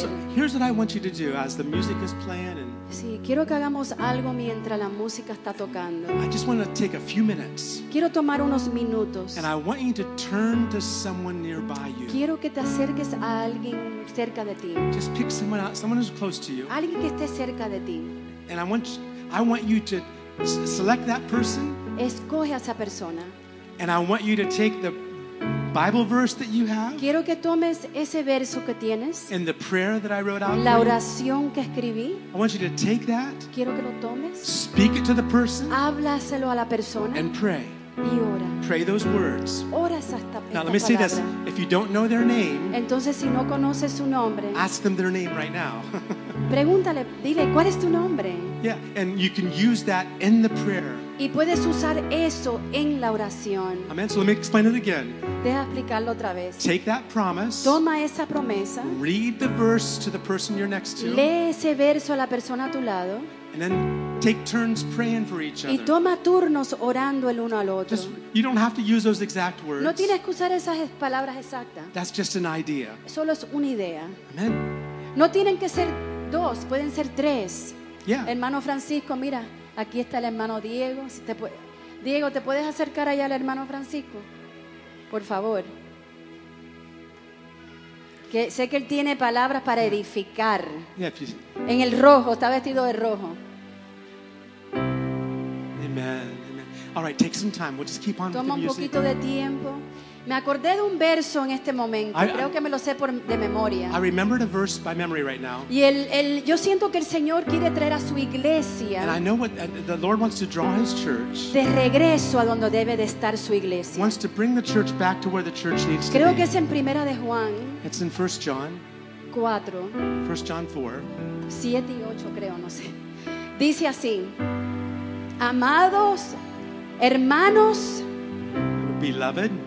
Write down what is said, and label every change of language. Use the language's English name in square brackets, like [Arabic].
[English] So here's what I want you to do as the music is playing and [Spanish] sí, quiero que hagamos algo mientras la música está tocando. [English] I just want to take a few minutes. [Spanish] Quiero tomar unos minutos. [English] And I want you to turn to someone nearby you. [Spanish] Quiero que te acerques a alguien cerca de ti. [English] Just pick someone out, someone who's close to you. [Spanish] Alguien que esté cerca de ti. [English] And I want you to select that person. [Spanish] Escoge a esa persona. [English] And I want you to take the Bible verse that you have. [Spanish] Quiero que tomes ese verso que tienes. [English] And the prayer that I wrote out. [Spanish] La oración que escribí. [English] I want you to take that. [Spanish] Quiero que lo tomes. [English] Speak it to the person. [Spanish] Háblaselo a la persona. [English] And pray. [Spanish] Y ora. [English] Pray those words. [Spanish] Ora esta palabra. [English] Now let me say this. If you don't know their name. [Spanish] Entonces si no conoces su nombre. [English] Ask them their name right now. [Spanish] Pregúntale, dile, ¿cuál es tu nombre? [English] Yeah, and you can use that in the prayer. [Spanish] Y puedes usar eso en la oración. [English] Amen. So let me explain it again. [Spanish] Deja explicarlo otra vez. [English] Take that promise. [Spanish] Toma esa promesa. [English] Read the verse to the person you're next to. [Spanish] Lee ese verso a la persona a tu lado. [English] And then take turns praying for each other. [Spanish] Y toma turnos orando el uno al otro. [English] Just, you don't have to use those exact words. [Spanish] No tienes que usar esas palabras exactas. [English] That's just an idea. [Spanish] Solo es una idea. Amen. No tienen que ser dos, pueden ser tres. [English] Yeah. [Spanish] Hermano Francisco, mira. Aquí está el hermano Diego. Diego, ¿te puedes acercar allá al hermano Francisco? Por favor. Que sé que él tiene palabras para edificar. En el rojo, está vestido de rojo. Amen, amen. [English] All right, take some time. We'll just keep on. [Spanish] Toma un poquito de tiempo. Me acordé de un verso en este momento. Creo que me lo sé de memoria. [English] I remembered a verse by memory right now. [Spanish] Y yo siento que el Señor quiere traer a su iglesia. [English] And I know what the Lord wants to draw his church. [Spanish] De regreso a donde debe de estar su iglesia. [English] Wants to bring the church back to where the church needs to be. [Spanish] Creo que es en Primera de Juan. [English] It's in 1 John. 4. 1 John 4. [Spanish] 7 y 8, creo, no sé. Dice así: Amados hermanos, [English] beloved,